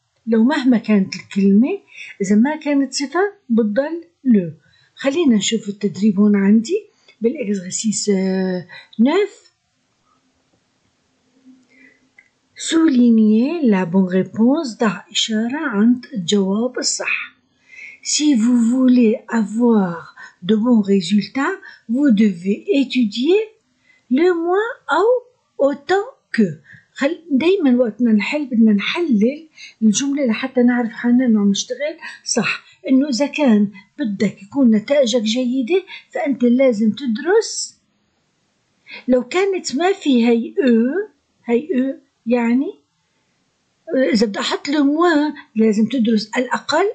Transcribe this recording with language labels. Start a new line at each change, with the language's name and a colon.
Arabic: لو مهما كانت الكلمة، إذا ما كانت صفة بتضل لو. خلينا نشوف التدريب هون عندي بالإكزرسيس 9.
French: سوليني لا بون ريبونس،
Arabic: ضع إشارة عند الجواب الصح.
French: Si vous voulez avoir de bons résultats, vous devez étudier le moins
Arabic: أو
French: autant que.
Arabic: دايما وقت ما نحل بدنا نحلل الجملة لحتى نعرف حالنا انه عم نشتغل صح. انه اذا كان بدك يكون نتائجك جيدة فانت لازم تدرس. لو كانت ما في هاي او، هاي او يعني اذا بدي احط له موا لازم تدرس الاقل.